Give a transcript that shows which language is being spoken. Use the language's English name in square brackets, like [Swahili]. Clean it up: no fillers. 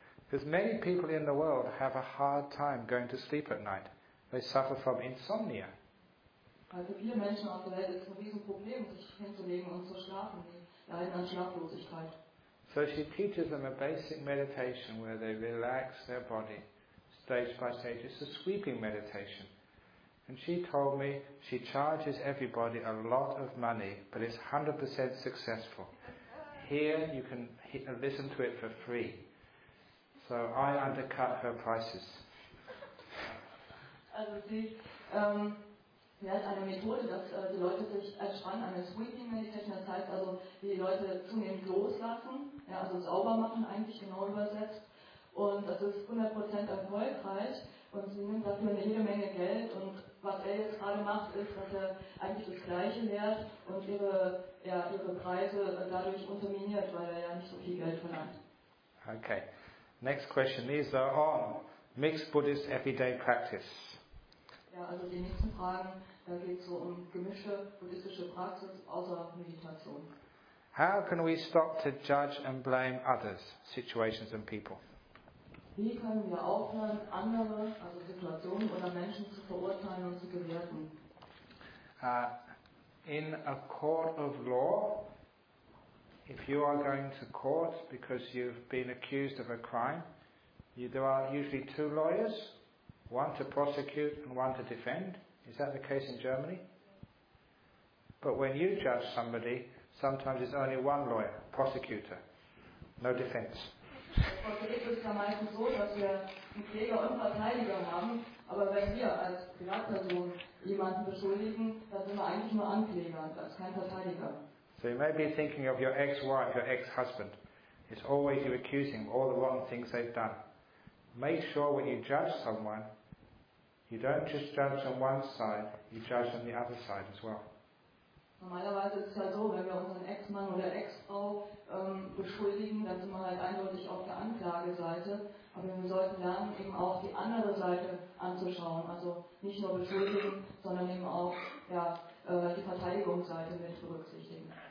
[English] Because many people in the world have a hard time going to sleep at night. They suffer from insomnia. [German] Also viele Menschen auf der Welt ist ein Riesenproblem, sich hinzulegen und zu schlafen. Die leiden an Schlaflosigkeit. [English] So she teaches them a basic meditation where they relax their body stage by stage. It's a sweeping meditation. And she told me she charges everybody a lot of money, but it's 100% successful. Here you can listen to it for free. So I undercut her prices. [German] Also sie hat eine Methode, dass die Leute sich entspannen, eine sweeping meditation, das heißt also, wie die Leute zunehmend loslassen, ja, also sauber machen eigentlich genau übersetzt. Und das ist 100% erfolgreich und sie nimmt dafür eine jede Menge Geld. Und was er jetzt gerade macht, ist, dass er eigentlich das Gleiche lehrt und ihre Preise dadurch unterminiert, weil er ja nicht so viel Geld verlangt. [English] Okay. Next question is on mixed Buddhist everyday practice. [German] Ja, also die nächsten Fragen, da geht es so um gemischte buddhistische Praxis außer Meditation. [English] How can we stop to judge and blame others, situations and people? [German] Wie können wir aufhören, andere, also Situationen oder Menschen zu verurteilen und zu bewerten? [English] In a court of law, if you are going to court because you've been accused of a crime, there are usually two lawyers, one to prosecute and one to defend. Is that the case in Germany? But when you judge somebody, sometimes it's only one lawyer, prosecutor, no defense. [German] Vor Gericht ist es ja meistens so, dass wir einen Kläger und Verteidiger haben, aber wenn wir als Privatperson jemanden beschuldigen, dann sind wir eigentlich nur Ankläger, als kein Verteidiger. [English] So you may be thinking of your ex-wife, your ex-husband. It's always you accusing all the wrong things they've done. Make sure when you judge someone, you don't just judge on one side, you judge on the other side as well. [German] Normalerweise ist es halt so, wenn wir unseren Ex-Mann oder Ex-Frau beschuldigen, dann sind wir halt eindeutig auf der Anklageseite. Aber wir sollten lernen, eben auch die andere Seite anzuschauen. Also nicht nur beschuldigen, sondern eben auch die Verteidigungsseite mit berücksichtigen.